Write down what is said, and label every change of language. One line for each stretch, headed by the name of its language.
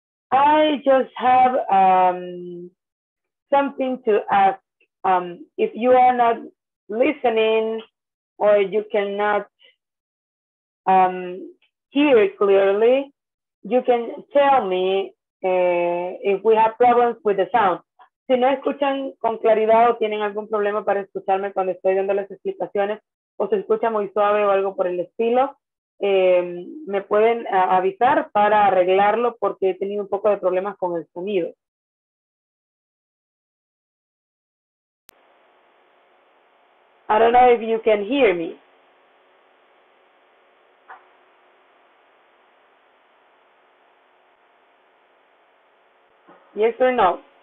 English: I just have something to ask. If you are not listening or you cannot hear clearly, you can tell me if we have problems with the sound.
Spanish: Si no escuchan con claridad o tienen algún problema para escucharme cuando estoy dando las explicaciones o se escucha muy suave o algo por el estilo, me pueden avisar para arreglarlo porque he tenido un poco de problemas con el sonido.
English: I don't know if you can hear me. Yes or no?